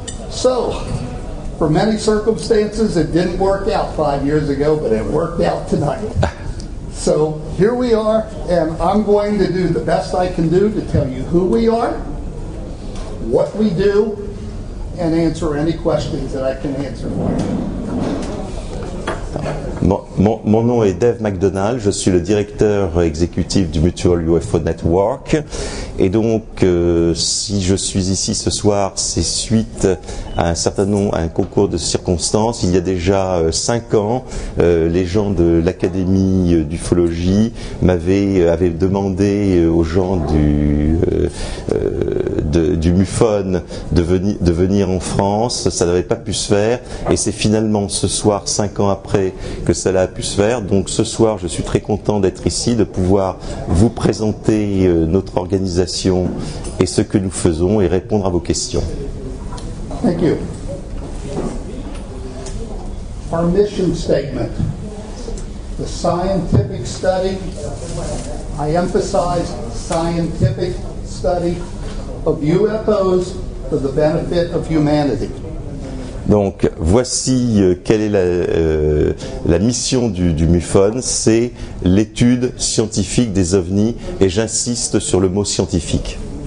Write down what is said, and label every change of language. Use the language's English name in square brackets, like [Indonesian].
[English] So, for many circumstances, it didn't work out 5 years ago, but it worked out tonight. So, here we are, and I'm going to do the best I can do to tell you who we are, what we do, and answer any questions that I can answer for you. [French] Mon nom est Dave MacDonald, je suis le directeur exécutif du Mutual UFO Network. Et donc, si je suis ici ce soir, c'est suite à un concours de circonstances. Il y a déjà 5 ans, les gens de l'Académie d'Ufologie avaient demandé aux gens du MUFON de venir en France. Ça n'avait pas pu se faire. Et c'est finalement ce soir, 5 ans après, que cela a pu se faire. Donc ce soir, je suis très content d'être ici, de pouvoir vous présenter notre organisation et ce que nous faisons et répondre à vos questions. [English] Thank you. Our mission statement, the scientific study, I emphasize scientific study of UFOs for the benefit of humanity. [French] Donc voici quelle est la mission du MUFON, c'est l'étude scientifique des ovnis, et j'insiste sur le mot scientifique.